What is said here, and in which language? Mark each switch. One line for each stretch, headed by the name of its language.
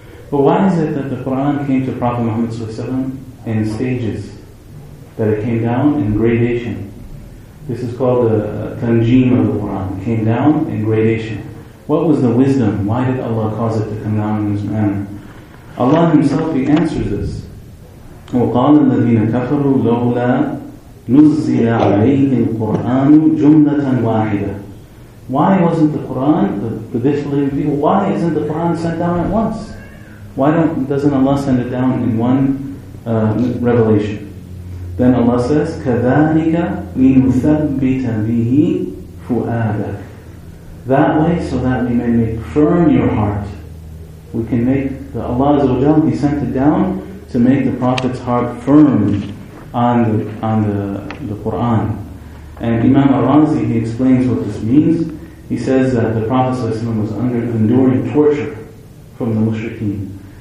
English: But why is it that the Qur'an came to Prophet Muhammad
Arabic: sallallahu alayhi wa sallam
English: in stages? That it came down in gradation. This is called the tanjeem of the Qur'an. It came down in gradation. What was the wisdom? Why did Allah cause it to come down in this manner? Allah Himself, He answers this.
Arabic: وقال الذين كفروا لولا نزل عليه القرآن جملة واحدة.
English: Why wasn't the Quran, the disbelieving people, why isn't the Quran sent down at once? Why doesn't Allah send it down in one revelation? Then Allah says,
Arabic: كذلك لنثبت به فؤادك.
English: That way, so that we may make firm your heart. We can make the Allah Azza wa Jal, He sent it down to make the Prophet's heart firm on the Qur'an. And Imam al-Razi, he explains what this means. He says that the Prophet ﷺ was enduring torture from the mushrikeen.